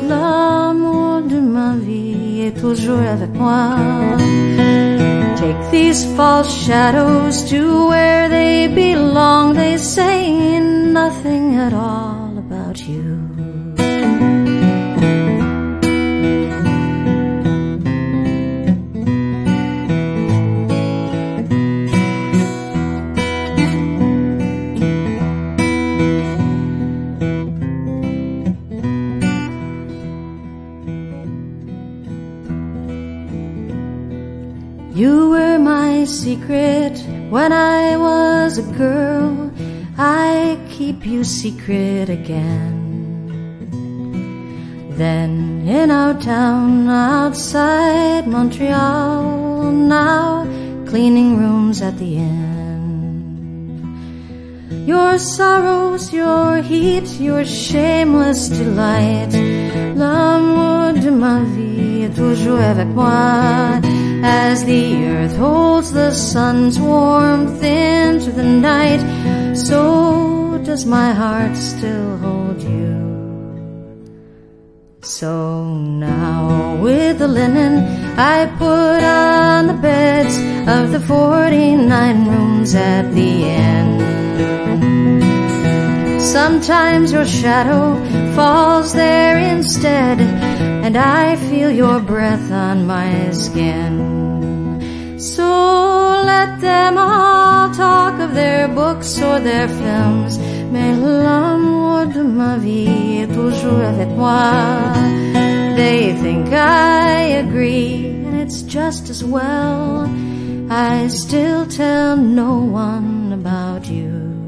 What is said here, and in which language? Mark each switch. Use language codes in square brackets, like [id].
[fr] L'amour de ma vie est toujours avec moi. [en] Take these false shadows to where they belong. They say nothing at all about you. You were my secret when I was a girl. I keep you secret again. Then in our town outside Montreal, now cleaning rooms at the inn. Your sorrows, your heat, your shameless delight. [fr] L'amour de ma vie est toujours avec moi. [en] As the earth holds the sun's warmth into the night, so does my heart still hold you. So now with the linen I put on the beds of the 49 rooms at the inn. Sometimes your shadow falls there instead, and I feel your breath on my skin. So let them all talk of their books or their films. [fr] Mais l'amour de ma vie est toujours avec moi. [en] They think I agree, and it's just as well. I still tell no one about you.